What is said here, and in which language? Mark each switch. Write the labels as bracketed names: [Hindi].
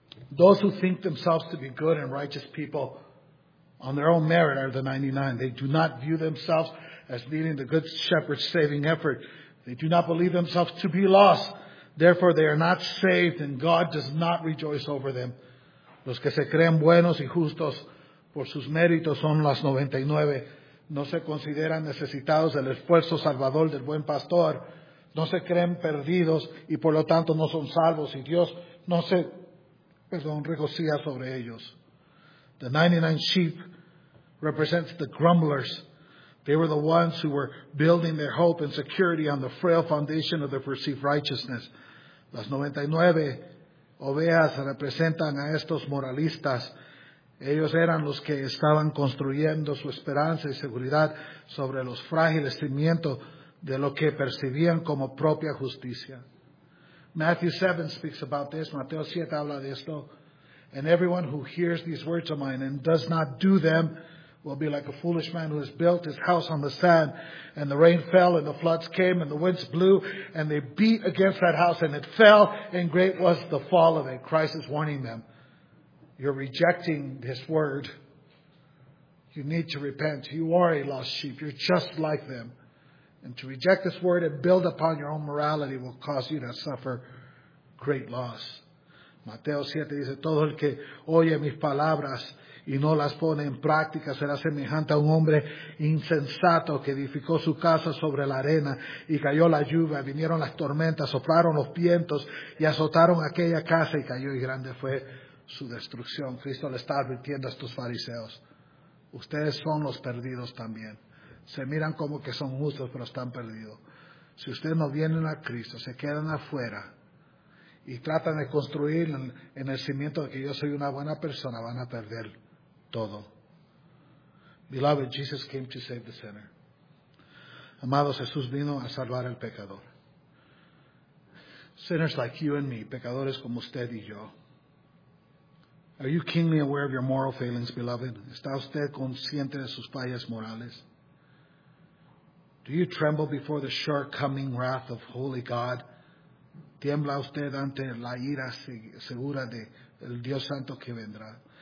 [English] Those who think themselves to be good and righteous people on their own merit are the 99. They do not view themselves as needing the good shepherd's saving effort. They do not believe themselves to be lost. Therefore, they are not saved and God does not rejoice over them. [Spanish] Los que se creen buenos y justos por sus méritos son las 99. No se consideran necesitados del esfuerzo salvador del buen pastor. No se creen perdidos y por lo tanto no son salvos y Dios no se... Perdón, regocija sobre ellos. [English] The 99 sheep represents the grumblers. They were the ones who were building their hope and security on the frail foundation of their perceived righteousness. [Spanish] Las 99 ovejas representan a estos moralistas. Ellos eran los que estaban construyendo su esperanza y seguridad sobre los frágiles cimientos de lo que percibían como propia justicia. [English] Matthew 7 speaks about this. [Spanish] Mateo 7 habla de esto. [English] And everyone who hears these words of mine and does not do them will be like a foolish man who has built his house on the sand. And the rain fell and the floods came and the winds blew and they beat against that house and it fell and great was the fall of it. Christ is warning them. You're rejecting this word. You need to repent. You are a lost sheep. You're just like them. And to reject this word and build upon your own morality will cause you to suffer great loss. [Spanish] Mateo 7 dice, todo el que oye mis palabras y no las pone en práctica será semejante a un hombre insensato que edificó su casa sobre la arena y cayó la lluvia, vinieron las tormentas, soplaron los vientos y azotaron aquella casa y cayó y grande fue su destrucción. Cristo le está advirtiendo a estos fariseos. Ustedes son los perdidos también. Se miran como que son justos, pero están perdidos. Si ustedes no vienen a Cristo, se quedan afuera y tratan de construir en el cimiento de que yo soy una buena persona, van a perder todo. [English] Beloved, Jesus came to save the sinner. [Spanish] Amado, Jesús vino a salvar al pecador. [English] Sinners like you and me, [Spanish] pecadores como usted y yo. [English] Are you keenly aware of your moral failings, beloved? [Spanish] ¿Está usted consciente de sus fallas morales? [English] Do you tremble before the sure coming wrath of holy God? [Spanish] ¿Tiembla usted ante la ira segura de el Dios Santo que vendrá?